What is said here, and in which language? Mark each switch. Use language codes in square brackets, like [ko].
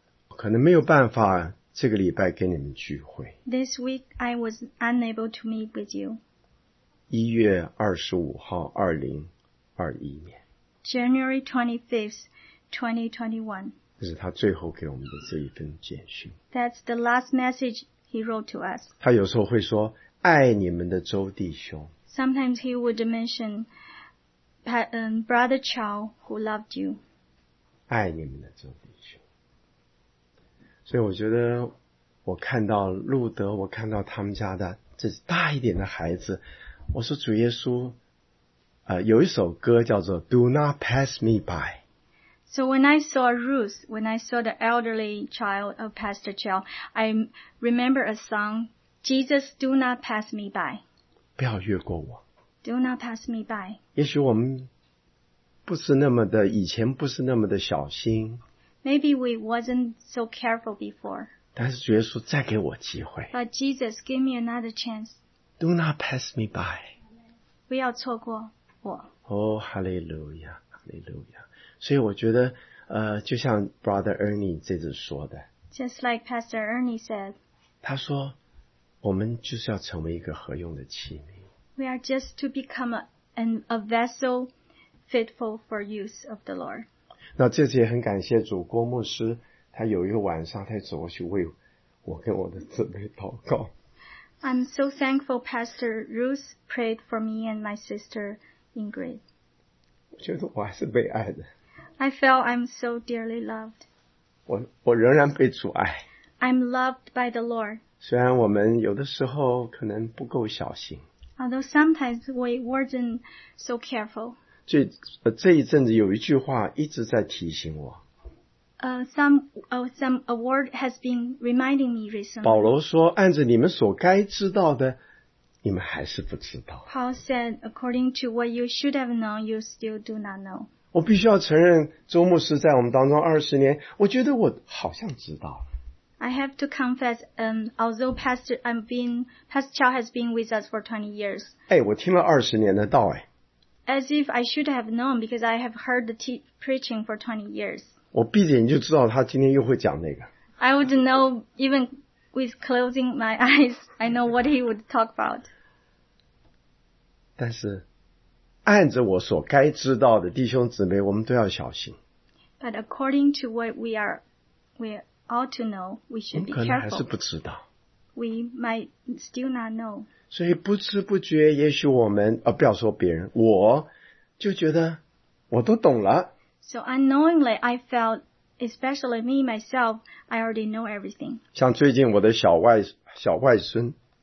[zh] 可能没有办法这个礼拜跟你们聚会。 [en] This week, I was unable to meet with you. [zh] 1月25号2021年 [en] January 25th, 2021 [zh] 这是他最后给我们的这一份简讯 [en] That's the last message he wrote to us [zh] 他有时候会说爱你们的周弟兄 [en] Sometimes he would mention Brother Chow who loved you [zh] 爱你们的周弟兄所以我觉得我看到路德我看到他们家的这是大一点的孩子我说主耶稣有一首歌叫做 [en] Do not pass me by So when I saw Ruth When I saw the elderly child of Pastor Chow I remember a song Jesus do not pass me by [zh] 不要越过我 [en] Do not pass me by [zh] 也许我们不是那么的以前不是那么的小心 [en] Maybe we wasn't so careful before [zh] 但是主耶稣再给我机会 [en] But Jesus give me another chance Do not pass me by. [zh] 不要错过我。 [en] Oh, hallelujah, hallelujah. [zh] 所以我觉得就像 Brother Ernie 这次说的。 [en] Just like Pastor Ernie said. [zh] 他说我们就是要成为一个合用的器皿。 [en] We are just to become a vessel fitful for use of the Lord. [zh] 那这次也很感谢主郭牧师他有一个晚上他走过去为我跟我的姊妹祷告。 [en] I'm so thankful Pastor Ruth prayed for me and my sister Ingrid. [zh] 我觉得我还是被爱的。 [en] I felt I'm so dearly loved. [zh] 我仍然被主爱。 [en] I'm loved by the Lord. [zh] 虽然我们有的时候可能不够小心。 [en] Although sometimes we weren't so careful. [zh] 这一阵子有一句话一直在提醒我。 [en] Some a word has been reminding me recently. [zh] 保罗说，按着你们所该知道的，你们还是不知道。 [en] Paul said, according to what you should have known, you still do not know. [zh] 我必须要承认，周牧师在我们当中20年，我觉得我好像知道。 [en] I have to confess, although Pastor Chow has been with us for 20 years. [zh] 哎，我听了20年的道，哎。 [en] As if I should have known, because I have heard the preaching for 20 years. [zh] 我闭着眼就知道他今天又会讲那个。 [en] I would know even with closing my eyes, I know what he would talk about. [zh] 但是，按着我所该知道的，弟兄姊妹，我们都要小心。 [en] But according to what we ought to know, we should be careful. [zh] 我们可能还是不知道。 [en] We might still not know. [zh] 所以不知不觉，也许我们不要说别人，我就觉得我都懂了。 [en] So unknowingly, I felt, especially me, myself, I already know everything. [zh] 像最近我的小外孙。